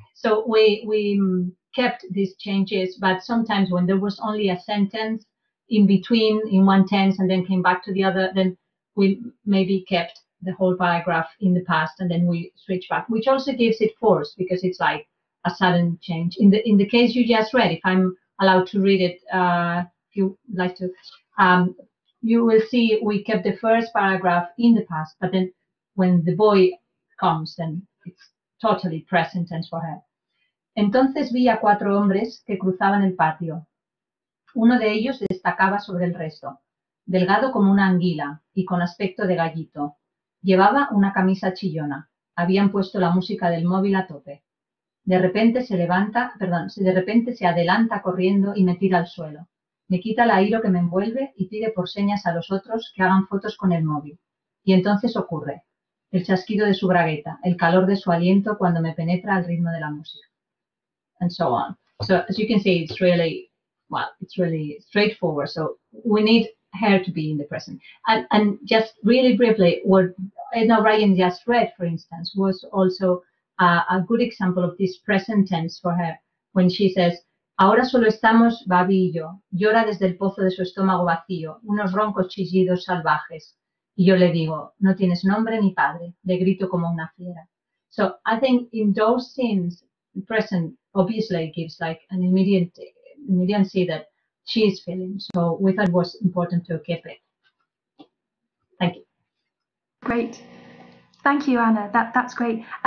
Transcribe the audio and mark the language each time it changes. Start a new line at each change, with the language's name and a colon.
English: So we kept these changes, but sometimes when there was only a sentence in between, in one tense, and then came back to the other, then we maybe kept the whole paragraph in the past and then we switch back, which also gives it force because it's like a sudden change. In the case you just read, if I'm allowed to read it, if you like to, you will see we kept the first paragraph in the past, but then when the boy comes, then it's totally present tense for her.
Spanish: Entonces vi a cuatro hombres que cruzaban el patio. Uno de ellos destacaba sobre el resto, delgado como una anguila y con aspecto de gallito. Llevaba una camisa chillona. Habían puesto la música del móvil a tope. De repente se adelanta corriendo y me tira al suelo. Me quita el airo que me envuelve y pide por señas a los otros que hagan fotos con el móvil. Y entonces ocurre. El chasquido de su bragueta, el calor de su aliento cuando me penetra al ritmo de la música.
English: And so on. So as you can see, it's really straightforward. So we need her to be in the present. And just really briefly, what Edna O'Brien just read, for instance, was also a good example of this present tense for her when she says,
Spanish: ahora solo estamos Babi y yo. Llora desde el pozo de su estómago vacío, unos roncos chillidos salvajes. Y yo le digo, no tienes nombre ni padre. Le grito como una fiera.
English: So I think in those scenes, present obviously gives like an immediacy that she is feeling. So we thought it was important to keep it. Thank you. Great. Thank you, Anna. That's great.